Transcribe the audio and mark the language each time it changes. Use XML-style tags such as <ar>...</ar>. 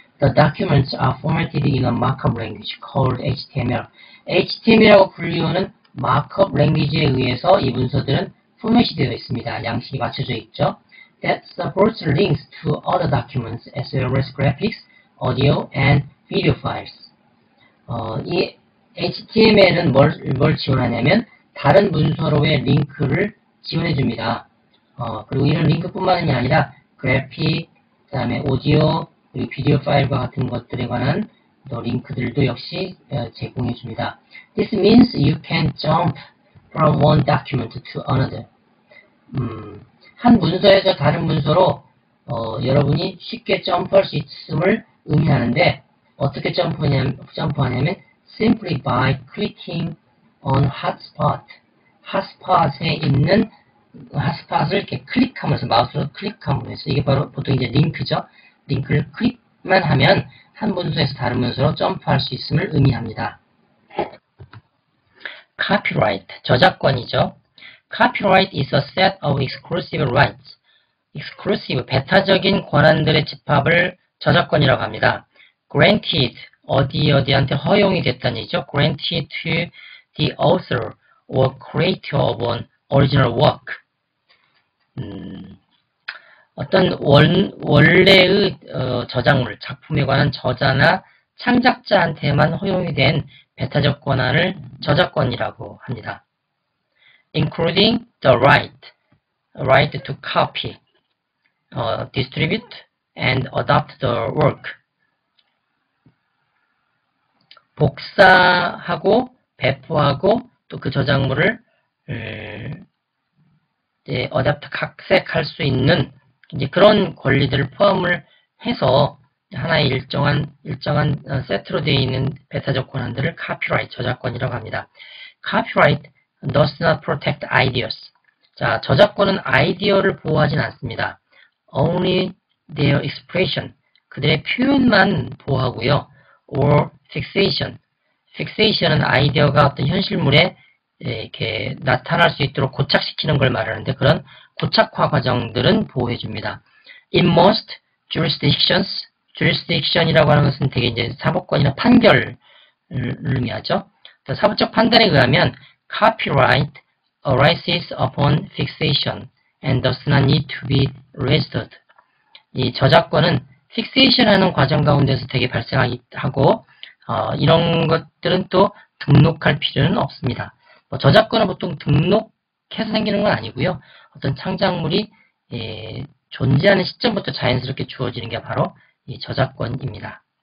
<en>The documents are formatted in a markup language called HTML.</en> <ko>HTML이라고 불리우는 마크업 랭귀지에 의해서 이 문서들은 포맷이 되어 있습니다. 양식이 맞춰져 있죠.</ko> <en>That supports links to other documents as well as graphics, audio, and video files.</en> <ko>이 HTML은 뭘 지원하냐면 다른 문서로의 링크를 지원해줍니다. 그리고 이런 링크뿐만이 아니라 그래픽, 그 다음에 오디오, 그리고 비디오 파일과 같은 것들에 관한 링크들도 역시 제공해줍니다.</ko> <en>This means you can jump from one document to another.</en> <ko>한 문서에서 다른 문서로 여러분이 쉽게 점프할 수 있음을 의미하는데 어떻게 점프하냐면</ko> <en>simply by clicking on hotspot.</en> <ko>hotspot에 있는 hotspot을 이렇게 클릭하면서 마우스로 클릭하면서 이게 바로 보통 이제 링크죠. 링크를 클릭만 하면 한 문서에서 다른 문서로 점프할 수 있음을 의미합니다.</ko> <en>copyright</en> <ko>저작권이죠.</ko> <en>copyright is a set of exclusive rights.</en> <ko>exclusive 배타적인 권한들의 집합을 저작권이라고 합니다. granted 어디어디한테 허용이 됐다는 얘기죠.</ko> <en>granted to the author or creator of an original work.</en> <ko>어떤 원래의 저작물, 작품에 관한 저자나 창작자한테만 허용이 된 배타적 권한을 저작권이라고 합니다.</ko> <en>including the right to copy, distribute and adapt the work.</en> <ko>복사하고 배포하고 또 그 저작물을 어댑트 각색할 수 있는 이제 그런 권리들을 포함을 해서 하나의 일정한 세트로 되어 있는 배타적 권한들을 copyright 저작권이라고 합니다.</ko> <en>Copyright does not protect ideas.</en> <ko>자, 저작권은 아이디어를 보호하진 않습니다.</ko> <en>Only their expression,</en> <ko>그들의 표현만 보호하고요.</ko> <en>Or fixation.</en> <ko>Fixation은 아이디어가 어떤 현실물에 이렇게 나타날 수 있도록 고착시키는 걸 말하는데 그런 고착화 과정들은 보호해 줍니다.</ko> <en>In most jurisdictions,</en> <ko>jurisdiction이라고 하는 것은 되게 이제 사법권이나 판결을 의미하죠. 사법적 판단에 의하면 copyright</ko> <en>arises upon fixation and does not need to be registered.</en> <ko>이 저작권은 fixation하는 과정 가운데서 되게 발생하고 이런 것들은 또 등록할 필요는 없습니다. 뭐 저작권은 보통 등록해서 생기는 건 아니고요. 어떤 창작물이 존재하는 시점부터 자연스럽게 주어지는 게 바로 이 저작권입니다.</ko>